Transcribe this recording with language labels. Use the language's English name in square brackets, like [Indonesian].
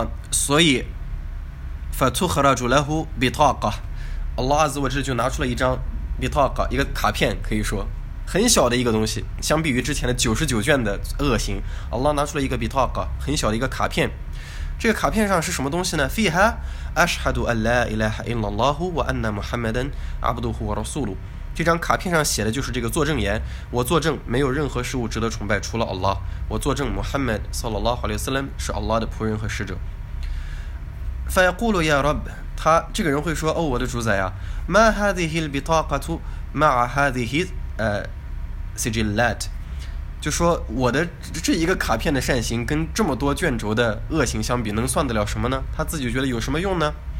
[Chinese] 所以 [Arabic] فتخرج له بطاقة， [Chinese] Allah azza wa jalla 就拿出了一张 بطاقة， 一个卡片，可以说很小的一个东西，相比于之前的99卷的恶行， Allah 拿出了一个 بطاقة， 很小的一个卡片。这个卡片上是什么东西呢？ [Arabic] فيها أشهد أن لا إله إلا الله وأن محمدا عبده ورسوله， [Chinese] 这张卡片上写的就是这个作证言，我作证没有任何事物值得崇拜除了 Allah， 我作证 Muhammad sallallahu alayhi wa sallam 是 Allah 的仆人和使者。 [Arabic] فيقول يا رب， [Chinese] 他这个人会说，哦我的主宰啊， [Arabic] ما هذه البطاقة مع هذه سجلات， [Chinese] 就说我的这一个卡片的善行跟这么多卷轴的恶行相比能算得了什么呢，他自己觉得有什么用呢。